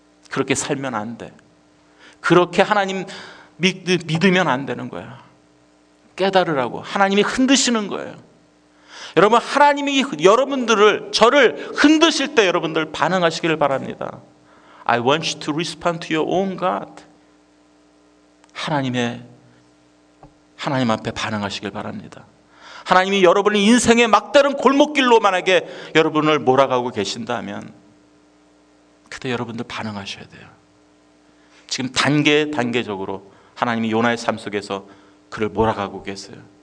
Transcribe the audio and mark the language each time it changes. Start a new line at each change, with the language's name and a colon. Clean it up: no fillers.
Korean: 그렇게 살면 안 돼. 그렇게 하나님 믿으면 안 되는 거야. 깨달으라고. 하나님이 흔드시는 거예요. 여러분, 하나님이 여러분들을, 저를 흔드실 때 여러분들 반응하시기를 바랍니다.
English: I want you to respond to your own God.
Korean: 하나님 앞에 반응하시길 바랍니다. 하나님이 여러분의 인생의 막다른 골목길로 만약에 여러분을 몰아가고 계신다면 그때 여러분들 반응하셔야 돼요. 지금 단계적으로 하나님이 요나의 삶 속에서 그를 몰아가고 계세요.